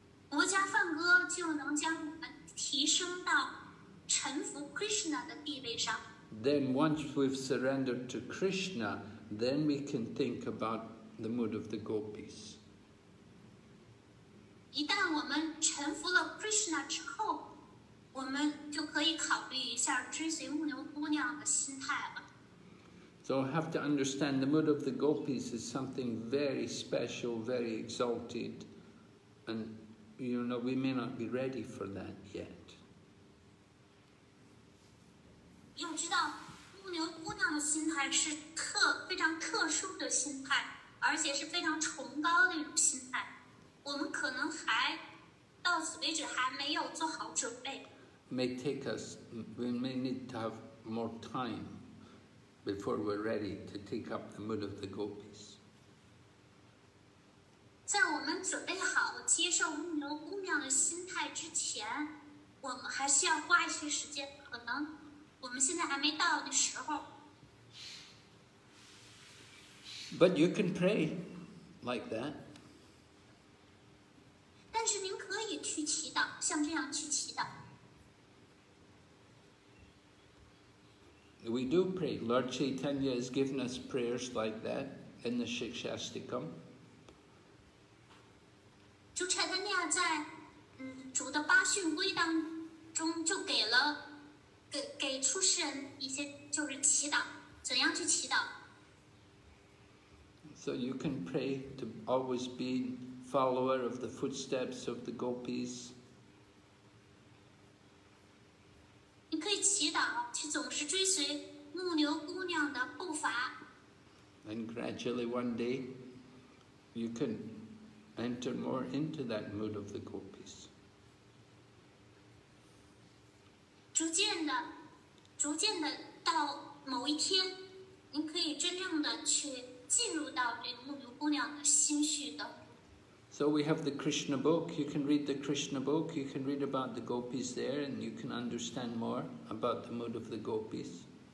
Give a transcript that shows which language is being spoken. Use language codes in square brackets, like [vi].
[zh] 国家梵歌就能将我们提升到臣服 Krishna 的地位上。 [en] Then once we've surrendered to Krishna, then we can think about the mood of the gopis. [zh] 一旦我们臣服了 Krishna 之后，我们就可以考虑一下追随木牛姑娘的心态了。 [en] So I have to understand the mood of the gopis is something very special, very exalted, and you know we may not be ready for that yet. [zh] 要知道木牛姑娘的心态是非常特殊的心态，而且是非常崇高的一种心态。我们可能还到此为止还没有做好准备。 [en] May take us, we may need to have more time before we're ready to take up the mood of the gopis. [zh] 在我们准备好接受木牛姑娘的心态之前，我们还需要花一些时间。可能我们现在还没到的时候。 [en] But you can pray like that. [zh] 但是您可以去祈祷，像这样去祈祷。 [en] We do pray. Lord Chaitanya has given us prayers like that in the Shikshastikam. [zh] 主柴丹尼亚在主的八训规当中就给出世人一些就是祈祷，怎样去祈祷。 [en] So you can pray to always be. Follower of the footsteps of the gopis. You can [zh] 祈祷去总是追随木牛姑娘的步伐 [en] And gradually one day, you can enter more into that mood of the gopis. [zh] 逐渐的到某一天，您可以真正的去进入到这木牛姑娘的心绪的。 [en] So we have the Krishna book, you can read the Krishna book, you can read about the gopis there and you can understand more about the mood of the gopis.